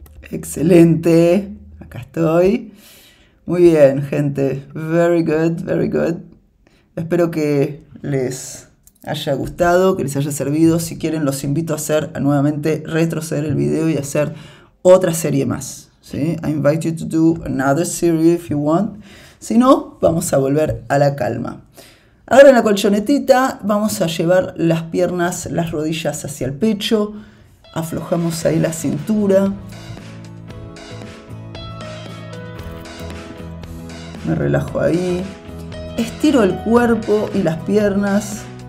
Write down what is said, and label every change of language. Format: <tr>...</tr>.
<es>Excelente. Acá estoy. Muy bien, gente.</es> <en>Very good, very good.</en> <es>Espero que les haya gustado, que les haya servido. Si quieren, los invito a hacer, a nuevamente retroceder el video y hacer otra serie más, ¿sí?</es> <en>I invite you to do another series if you want.</en> <es>Si no, vamos a volver a la calma. Ahora, en la colchonetita, vamos a llevar las piernas, las rodillas hacia el pecho, aflojamos ahí la cintura, me relajo ahí, estiro el cuerpo y las piernas.</es>